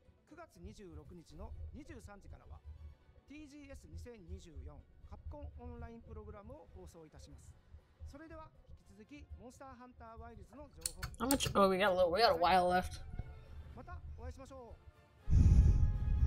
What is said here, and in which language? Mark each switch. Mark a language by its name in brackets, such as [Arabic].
[Japanese] モンスターハンターワイルズプロデューサーの地元です。本作の発売日が2025年2月28日、世界同日発売に決定いたしました。本日より順次予約を開始しますので、ぜひご予約いただければと思います。プレイステーションストアでご予約いただいた方限定の特典として、プレイステーション5でご覧いただけるデジタルミニアートブックをご用意します。9月26日の23時からは TGS2024カプコンオンラインプログラムを放送いたします。それでは引き続きモンスターハンターワイルズの情報。 [English] How much? Oh, we got a little while left. [Japanese] またお会いしましょう。